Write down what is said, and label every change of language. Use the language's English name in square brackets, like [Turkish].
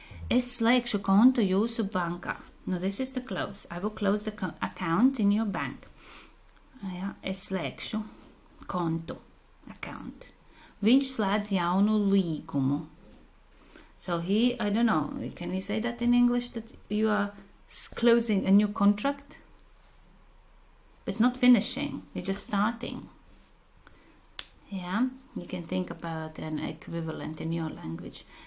[Latvian] Es slēgšu kontu jūsu bankā. [English] No, this is the close. I will close the account in your bank. [Latvian] Es slēgšu kontu, account. Viņš slēdz jaunu līgumu. [English] So he, I don't know, can we say that in English, that you are closing a new contract? It's not finishing, you're just starting. Yeah, you can think about an equivalent in your language.